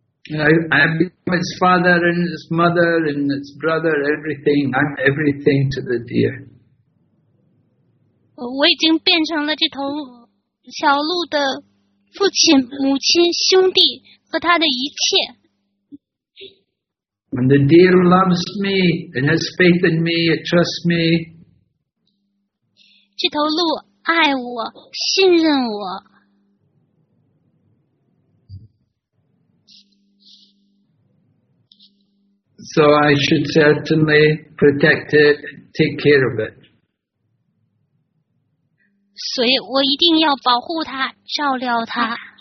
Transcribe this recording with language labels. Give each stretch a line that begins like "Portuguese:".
English: I become its father and its mother and its brother, everything. I'm everything to the deer.
Chinese: 我已经变成了这头小鹿的父亲、母亲、兄弟和他的一切。
English: When the deer loves me and has faith in me, it trusts me.
Chinese: 这头鹿爱我，信任我。
English: So I should certainly protect it, take care of it.
Chinese: 所以我一定要保护它，照料它。